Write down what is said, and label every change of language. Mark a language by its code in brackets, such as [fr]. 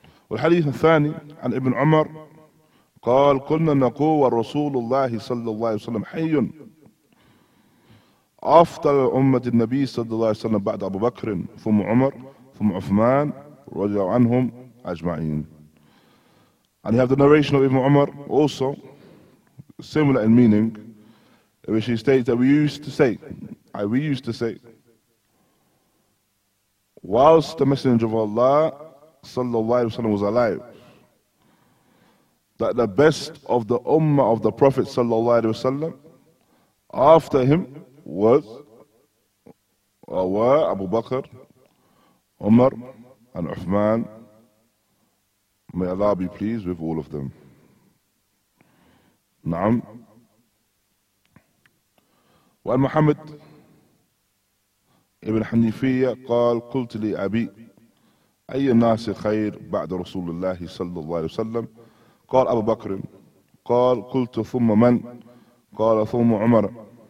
[ar] والحديث الثاني عن ابن عمر قال كنا نقول رسول الله صلى الله عليه وسلم حي أفضل أمة النبي صلى الله عليه وسلم بعد أبو بكر ثم عمر ثم عثمان رضي الله عنهم أجمعين. [en] And you have the narration of Ibn Umar also similar in meaning, which he states that we used to say whilst the Messenger of Allah sallallahu alayhi wa sallam was alive, that the best of the ummah of the Prophet sallallahu alayhi wa sallam after him was Abu Bakr, Umar, and Uthman, may Allah be pleased with all of them. Naam. [ar] Wa Muhammad ibn Hanifiyya qal qult li abi أي الناس خير بعد رسول الله صلى الله عليه وسلم؟ قال أبو بكر. قال قلت ثم من؟ قال ثم عمر.